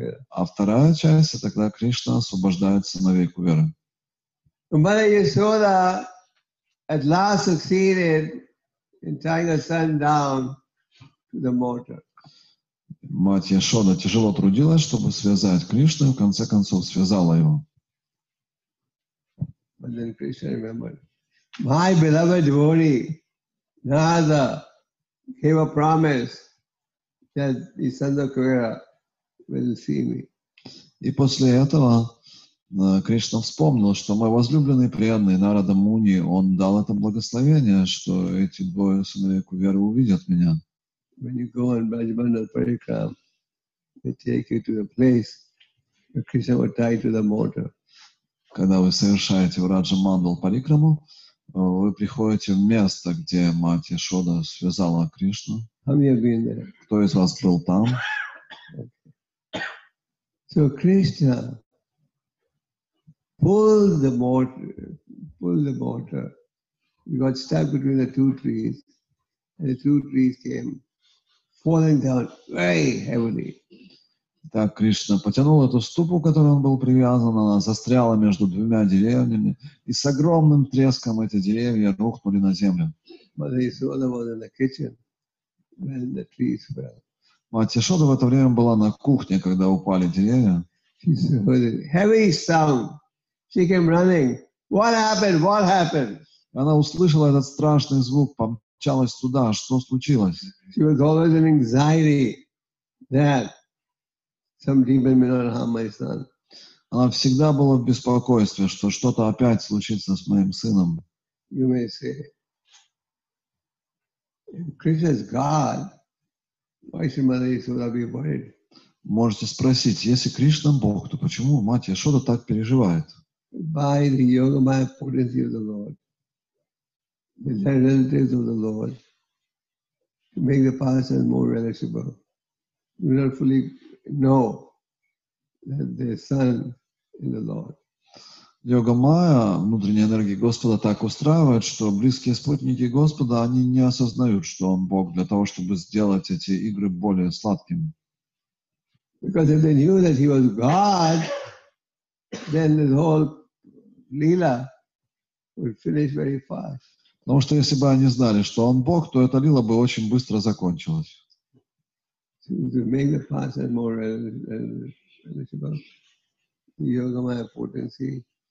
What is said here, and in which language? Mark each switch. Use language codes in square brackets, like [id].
[ru] А вторая часть — это когда Кришна освобождает сыновей Куверы. [en] Mother Yashoda at last succeeded in tying her son down to the mortar. [ru] Мать Яшода тяжело трудилась, чтобы связать Кришну, и в конце концов связала его. [en] But then Krishna remembered, my beloved devotee Narada gave a promise that the sons of Kuvera will see me. [ru] И после этого Кришна вспомнил, что мой возлюбленный преданный Нарада Муни, он дал это благословение, что эти двое сыновей Куверы увидят меня. [en] When you go on Brajmandal Parikram, they take you to the place where Krishna was tied to the mortar. [ru] Когда вы совершаете Раджамандал Парикраму, вы приходите в место, где мать Яшода связала Кришну. [en] How many have been there? [ru] Кто из вас был там? [en] So Krishna pulled the mortar. He got stuck between the two trees, and the two trees came falling down very heavily. [ru] Так Кришна потянул эту ступу, которой он был привязан, она застряла между двумя деревьями, и с огромным треском эти деревья рухнули на землю. [en] Mother Yashoda was in the kitchen when the trees fell. [ru] Мать Яшода в это время была на кухне, когда упали деревья. [en] She heard a heavy sound. She came running. What happened? What happened? [ru] Она услышала этот страшный звук, помчалась туда. Что случилось? [en] She was always in anxiety that some demon may not harm my son. [ru] Она всегда была в беспокойстве, что что-то опять случится с моим сыном. [en] You may say, Krishna is God. Why should Mother Yashoda be worried? [ru] Можете спросить, если Кришна Бог, то почему мать Яшода так переживает? [en] By the yoga maya potency of the Lord, the relatives of the Lord, to make the person more relishable, do not fully know that their son is the Lord. [ru] Йога майя, внутренняя энергия Господа, так устраивает, что близкие спутники Господа, они не осознают, что Он Бог, для того, чтобы сделать эти игры более сладкими. [en] Because if they knew that He was God, then the whole Lila would finish very fast. [ru] Потому что если бы они знали, что Он Бог, то эта Лила бы очень быстро закончилась. [en] To make the person more relishable, yoga maya potency.